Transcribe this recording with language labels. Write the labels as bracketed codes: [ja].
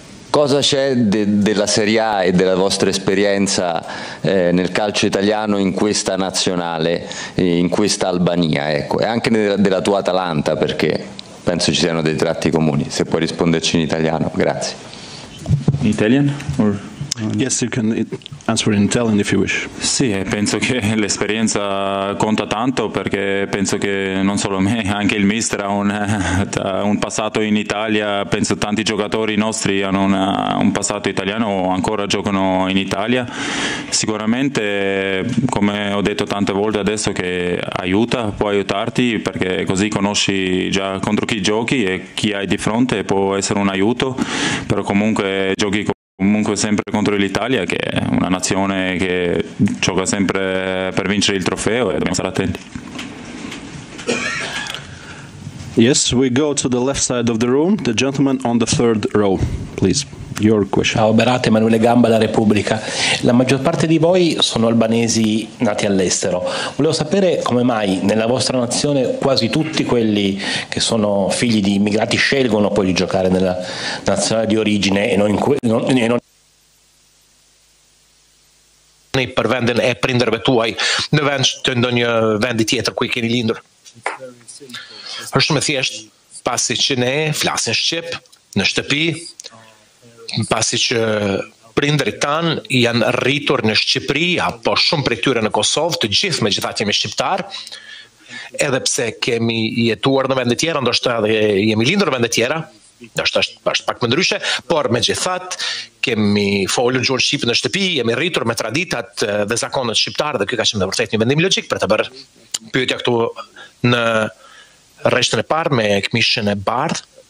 [it] Cosa c'è della Serie A e della vostra esperienza nel calcio italiano in questa nazionale, in questa Albania, ecco, e anche della tua Atalanta, perché penso ci siano dei tratti comuni. Se puoi risponderci in italiano, grazie. In italiano? Or... [en] Yes, you can answer in Italian if you wish. [it] Sì, penso che l'esperienza conta tanto perché penso che non solo me, anche il mister ha un passato in Italia, penso tanti giocatori nostri hanno un passato italiano o ancora giocano in Italia. Sicuramente, come ho detto tante volte adesso, che aiuta, può aiutarti perché così conosci già contro chi giochi e chi hai di fronte può essere un aiuto, però comunque giochi con... Comunque sempre contro l'Italia, che è una nazione che gioca sempre per vincere il trofeo e dobbiamo stare attenti. [en] Yes, we go to the left side of the room, the gentleman on the third row, please. Your question. [it] Ciao Berat, Emanuele Gamba, La Repubblica. La maggior parte di voi sono albanesi nati all'estero. Volevo sapere come mai nella vostra nazione quasi tutti quelli che sono figli di immigrati scelgono poi di giocare nella nazionale di origine e non in quella. Nei per vendere e prendere tu hai ne vendi dietro qui che lindor. [sq] Është më thjesht pasi që ne flasin shqip në shtëpi, pasi që prindrit tanë janë rritur në Shqipëri apo shumë prej tyre në Kosovë, të gjithë megjithatë jemi shqiptar, edhe pse kemi jetuar në vende tjera, ndoshta edhe jemi lindur në vende tjera, ndoshta është pak më ndryshe, por megjithatë kemi folur gjuhën shqipe në shtëpi, jemi rritur me traditat dhe zakonet shqiptare dhe kjo ka qenë vërtet një vendim logjik për të bërë pyetja këtu në rreshtin e parë me këmishën e bardhë.